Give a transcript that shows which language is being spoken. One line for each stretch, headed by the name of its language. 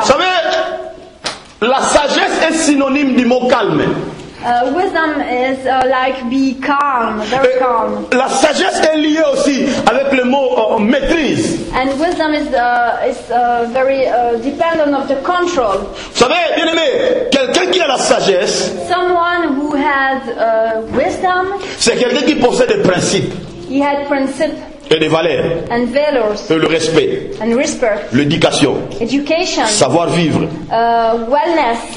French: Vous savez, la sagesse est synonyme du mot calme.
English: Wisdom is like be calm, very calm.
French: La sagesse est liée aussi avec le mot maîtrise.
English: And wisdom is very dependent of the control.
French: Vous savez, bien aimé, quelqu'un qui a la sagesse.
English: Someone who has wisdom.
French: C'est quelqu'un qui possède des principes.
English: He had principles.
French: Et des valeurs.
English: And valors.
French: Et le respect.
English: And respect.
French: L'éducation.
English: Education.
French: Savoir vivre.
English: Wellness.